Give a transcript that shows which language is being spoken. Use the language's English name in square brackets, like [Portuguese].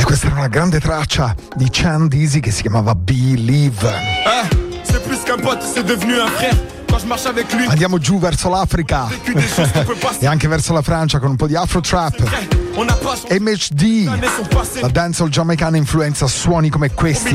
[Italian] Una grande traccia di Chan Dizzy che si chiamava Believe. [French] C'est plus qu'un pote, c'est devenu un frère. Quand je marche avec lui. [Italian] Andiamo giù verso l'Africa e anche verso la Francia con un po' di Afro Trap. MHD, la dancehall giamaicana influenza suoni come questi.